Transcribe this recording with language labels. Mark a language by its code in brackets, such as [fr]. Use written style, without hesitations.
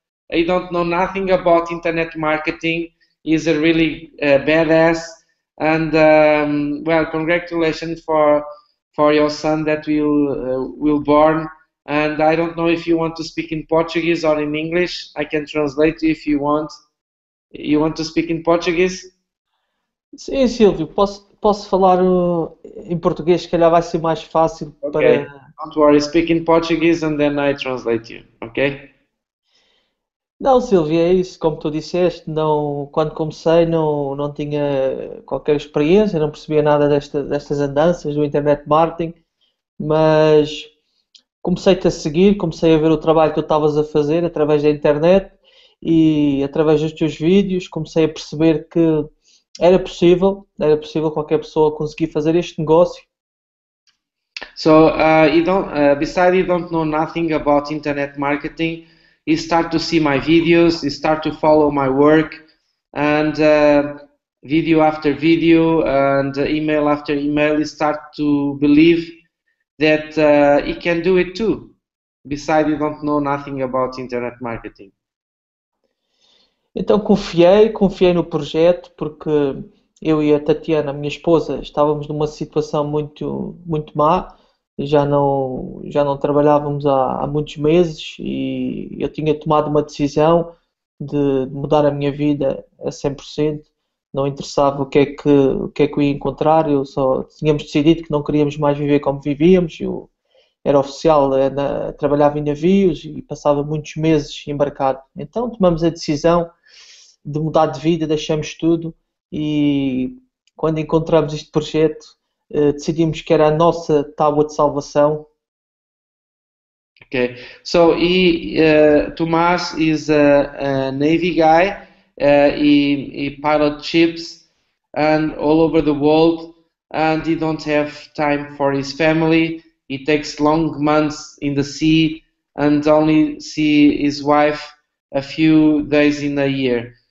[en] He don't know nothing about internet marketing. He's a really badass. And well, congratulations for your son that will born. And I don't know if you want to speak in Portuguese or in English. I can translate if you want. You want to speak in Portuguese? [pt] Sim, Silvio, posso falar em português, se calhar vai ser mais fácil para... [en] Ok, don't worry, speak in Portuguese and then I translate you, ok? [pt] Não, Silvio, é isso, como tu disseste, não, quando comecei não tinha qualquer experiência, não percebia nada destas andanças do internet marketing, mas comecei-te a seguir, comecei a ver o trabalho que tu estavas a fazer através da internet e através dos teus vídeos, comecei a perceber que era possível qualquer pessoa conseguir fazer este negócio. [en] So, besides you don't know nothing about internet marketing, you start to see my videos, you start to follow my work, and video after video, and email after email, you start to believe that you can do it too, besides you don't know nothing about internet marketing. [pt] Então confiei no projeto, porque eu e a Tatiana, minha esposa, estávamos numa situação muito, muito má, já não trabalhávamos há muitos meses e eu tinha tomado uma decisão de mudar a minha vida a 100%, não interessava o que é que eu ia encontrar, eu só tínhamos decidido que não queríamos mais viver como vivíamos, eu era oficial, trabalhava em navios e passava muitos meses embarcado, então tomamos a decisão de mudar de vida, deixamos tudo e quando encontramos este projeto decidimos que era a nossa tábua de salvação. [en] Ok, so he, Tomás is a Navy guy, he pilot ships and all over the world and he don't have time for his family, he takes long months in the sea and only see his wife a few days in a year.